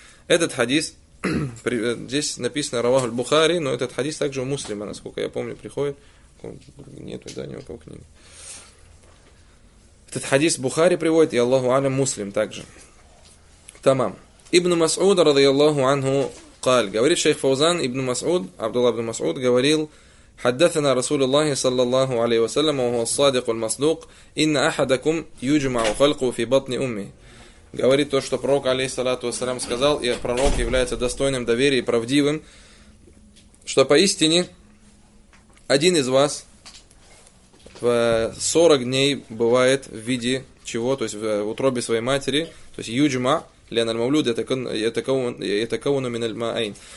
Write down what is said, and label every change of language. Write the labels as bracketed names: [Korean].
[Russian] Этот хадис, здесь написано «Раваху аль-Бухари», но этот хадис также у муслима, насколько я помню, приходит. Нету, да, ни у кого книги. Этот хадис Бухари приводит, и Аллаху алям, муслим также. Тамам. Ибн Мас'уд, радыяллаху анху, قال. Говорит шейх Фаузан, Ибн Мас'уд, Абдулла Ибн Мас'уд, говорил: [Arabic] حدثنا رسول الله صلى الله عليه وسلم وهو الصادق المصدوق إن أحدكم يجمع خلقه في بطن أمه. [Russian] Говорит то, что пророк алейхиссалату вассалям сказал, и пророк является достойным доверия и правдивым, что поистине один из вас в 40 дней бывает в виде чего, то есть в утробе своей матери, то есть юджма, лен аль-мавлюд, ятакауну мин аль-маайн.